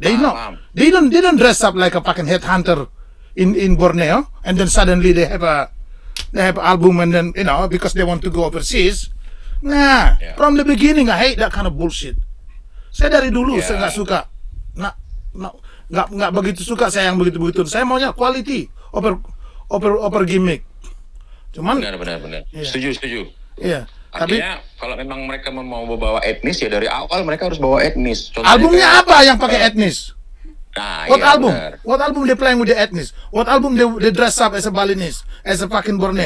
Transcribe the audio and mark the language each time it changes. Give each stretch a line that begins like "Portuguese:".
English: They don't dress up like a fucking headhunter in Borneo, and then suddenly they have album, and then, you know, because they want to go overseas. From the beginning I hate that kind of bullshit.
Indonesian: Saya dari dulu saya enggak suka. Enggak begitu suka saya yang begitu-begitu. Saya maunya
English: quality over gimmick.
Indonesian: Cuman benar. Yeah. Setuju. Iya. Yeah. Tapi kalau memang mereka mau bawa etnis, ya dari awal mereka harus bawa etnis. Contohnya albumnya kayak, apa yang pakai etnis? Nah,
English: album?
Indonesian: Bener.
English: What album they playing with the ethnic? What album they dress up as a Balinese, as a fucking Borneo?